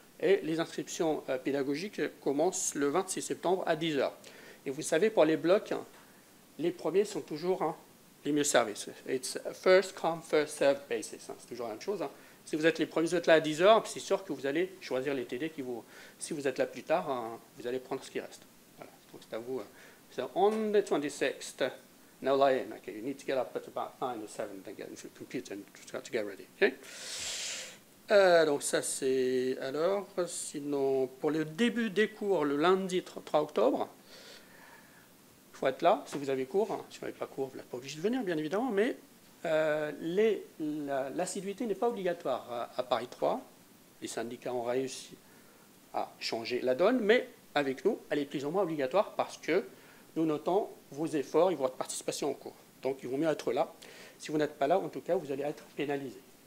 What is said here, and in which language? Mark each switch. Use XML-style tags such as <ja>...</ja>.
<fr>Et les inscriptions pédagogiques commencent le 26 septembre à 10h. Et vous savez, pour les blocs, les premiers sont toujours les mieux servis.</fr> <en>It's first come, first serve basis.</en> <fr>C'est toujours la même chose. Si vous êtes les premiers, vous êtes là à 10h, c'est sûr que vous allez choisir les TD qui vous... Si vous êtes là plus tard, vous allez prendre ce qui reste. Voilà, donc c'est à vous.</fr> <en>So, on the 26th, no lying, okay, you need to get up at about 9 or 7 and get into the computer and start to get ready, okay?</en> <fr>Donc ça c'est alors, sinon pour le début des cours le lundi 3 octobre, il faut être là si vous avez cours, hein. Si vous n'avez pas cours, vous n'êtes pas obligé de venir bien évidemment, mais l'assiduité n'est pas obligatoire à Paris 3, les syndicats ont réussi à changer la donne, mais avec nous elle est plus ou moins obligatoire parce que nous notons vos efforts et votre participation au cours, donc il vaut mieux être là, si vous n'êtes pas là en tout cas vous allez être pénalisé.</fr>